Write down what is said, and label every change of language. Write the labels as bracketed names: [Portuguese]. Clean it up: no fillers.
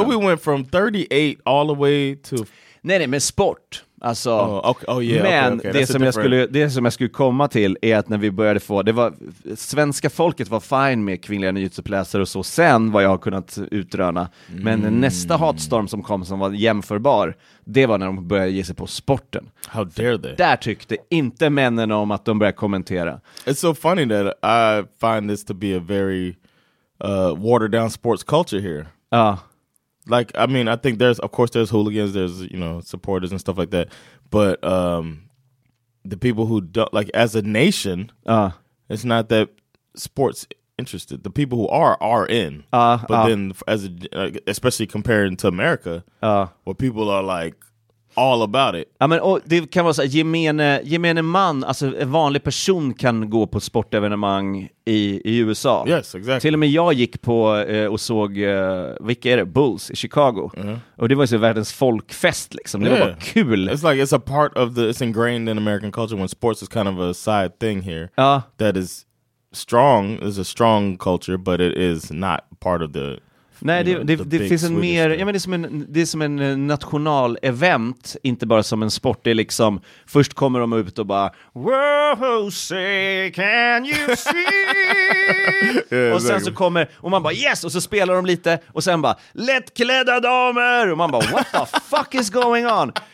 [English] Wait, so we went from 38 all the way to... [Swedish] Nej, men sport... Alltså, det som jag skulle komma till är att när vi började få, det var, svenska folket var fine med kvinnliga nyhetsuppläsare och så, sen vad jag har kunnat utröna. Men nästa hatstorm som kom som var jämförbar, det var när de började ge sig på sporten. [English] How dare they? [Swedish] Där tyckte inte männen om att de började kommentera. [English] It's so funny that I find this to be a very watered down sports culture here. [Swedish] Ja. [English] Like, I mean, I think there's, of course, there's hooligans, there's, you know, supporters and stuff like that. But the people who don't, like, as a nation, it's not that sports interested. The people who are in. But then, especially comparing to America, where people are like, all about it. [Swedish] Ja, men, och det kan vara så här, gemene man, alltså en vanlig person kan gå på sportevenemang i USA. [English] Yes, exactly. [Swedish] Till och med jag gick på och såg, vilka är det? Bulls i Chicago. Mm-hmm. Och det var ju så världens folkfest liksom. Det var bara kul. [English] It's like, it's a part of the, it's ingrained in American culture when sports is kind of a side thing here. Ja. That is strong, is a strong culture, but it is not part of the... [Swedish] Nej, det finns en mer, ja, men det är som en national event, inte bara som en sport. Det är liksom, först kommer de ut och bara, whoa, [English] say, can you see? [Swedish] Yeah, och sen exactly. Så kommer, och man bara, yes, och så spelar de lite, och sen bara, lättklädda damer, och man bara, [English] what the fuck is going on?